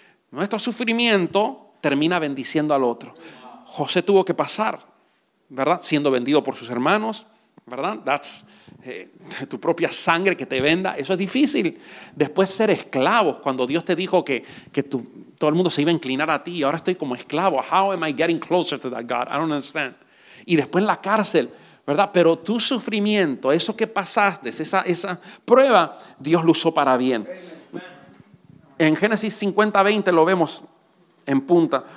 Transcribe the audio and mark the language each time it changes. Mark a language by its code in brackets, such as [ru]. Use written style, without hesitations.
[es] Nuestro sufrimiento termina bendiciendo al otro. José tuvo que pasar, ¿verdad? Siendo vendido por sus hermanos, ¿verdad? [en] That's [es] tu propia sangre que te venda. Eso es difícil. Después ser esclavos, cuando Dios te dijo que todo el mundo se iba a inclinar a ti y ahora estoy como esclavo. [en] How am I getting closer to that God? I don't understand. [es] Y después la cárcel, ¿verdad? Pero tu sufrimiento, eso que pasaste, esa prueba, Dios lo usó para bien. En Génesis 50:20 lo vemos en punta.